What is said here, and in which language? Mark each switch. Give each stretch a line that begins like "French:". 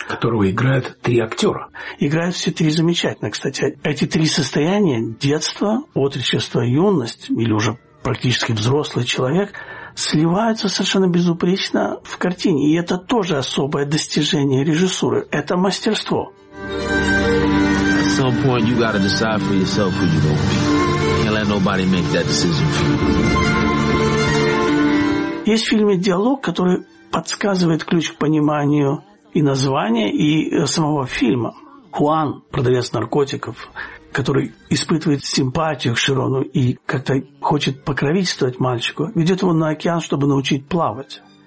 Russian: Которого играют три актера. Играют все три замечательно, кстати. Эти три состояния – детство, отрочество, юность, или уже практически взрослый человек – сливаются совершенно безупречно в картине. И это тоже особое достижение режиссуры. Это мастерство.
English: At some point you gotta decide for yourself who you gonna be. Can't let nobody make that decision for you.
Russian: Есть в фильме диалог, который подсказывает ключ к пониманию и названия, и самого фильма. Хуан, продавец наркотиков, который испытывает симпатию к Шерону и как-то хочет покровительствовать мальчику, ведет его на океан, чтобы научить плавать.